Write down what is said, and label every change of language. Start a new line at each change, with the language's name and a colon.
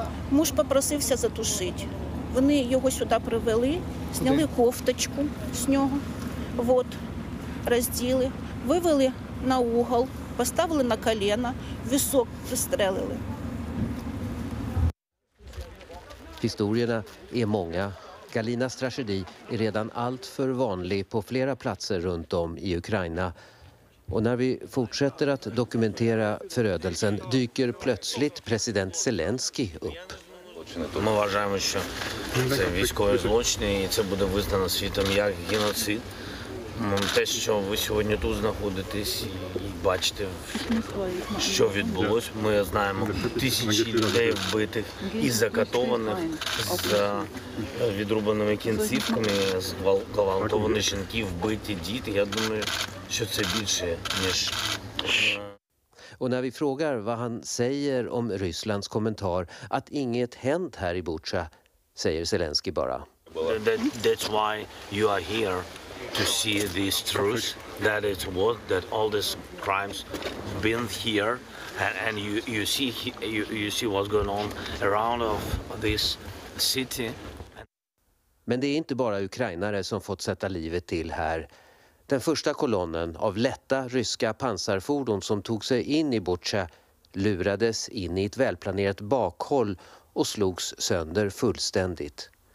Ukrainian: Муж попросився затушити. Вони його сюди привели, зняли кофточку з нього, вот, розділи, вивели на угол, поставили на колено, висок пристрелили.
Swedish: Historierna är många. Galinas tragedi är redan allt för vanlig på flera platser runt om i Ukraina. Och när vi fortsätter att dokumentera förödelsen dyker plötsligt president Zelensky upp.
Ukrainian: Ми вважаємо, що це військовий злочин і це буде визнано світом як геноцид. Те, що ви сьогодні тут знаходитесь і бачите, що відбулось, ми знаємо, тисячі людей вбитих і закатованих з відрубаними кінцівками, з гвалтованих жінки, вбиті діти. Я думаю, що це більше, ніж...
Swedish: Och när vi frågar vad han säger om Rysslands kommentar att inget hänt här i Butcha, säger Zelensky bara.
English: That's why you are here. To see this truth, that it's what that all these crimes been here, and you see what's going on around of this city.
Swedish: Men det är inte bara ukrainare som fått sätta livet till här. Den första kolonnen av lätta ryska pansarfordon som tog sig in i Butcha lurades in i ett välplanerat bakhåll och slogs sönder fullständigt.